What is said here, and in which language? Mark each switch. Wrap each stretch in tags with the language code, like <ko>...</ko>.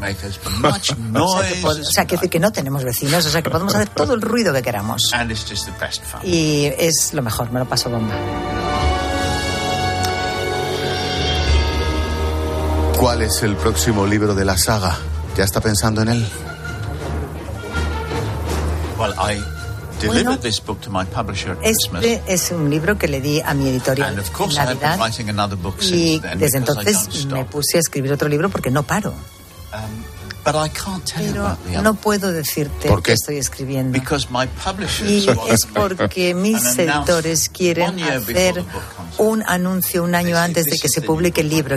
<es>O sea, que no tenemos vecinos, o sea que podemos hacer todo el ruido que queramos.</es> <en>And it's just the best fun.</en> <es>Y es lo mejor, me lo paso bomba. ¿Cuál es el próximo libro de la saga? ¿Ya está pensando en él?</es> <en>Well, I delivered this book to my publisher at Christmas.</en> <es>Este es un libro que le di a mi editorial en Navidad.</es> <en>And of course, I've been writing another book since then.</en> <es>Y desde entonces me puse a escribir otro libro porque no paro.</es> <en>But I can't tell</en> <es>Pero</es> <en>you about the</en> <es>no puedo decirte que estoy escribiendo.</es> <en>Because my publishers</en> <es>y es porque mis editores quieren hacer un anuncio un año antes de que se publique el libro.</es>